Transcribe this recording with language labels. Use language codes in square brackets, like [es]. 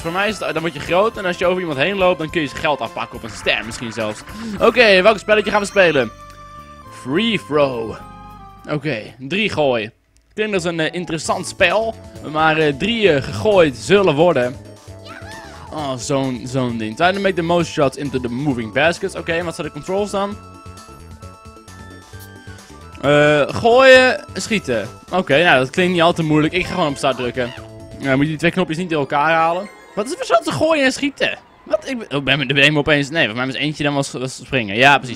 [nl] Voor mij is het, dan word je groot en als je over iemand heen loopt, dan kun je ze geld afpakken op een ster misschien zelfs. Oké, welk spelletje gaan we spelen? Free throw. Oké, 3 gooi. Ik denk dat is een interessant spel, maar 3 gegooid zullen worden. Oh, zo'n ding. [en] Try to make the most shots into the moving baskets. [nl] Oké, wat zijn de controls dan? Gooien, schieten. Oké, nou dat klinkt niet al te moeilijk. Ik ga gewoon op start drukken. Nou, moet je die 2 knopjes niet door elkaar halen. Wat is het verschil tussen gooien en schieten? Wat? Ik ben me opeens... Nee, voor mij was eentje dan was springen. Ja, precies.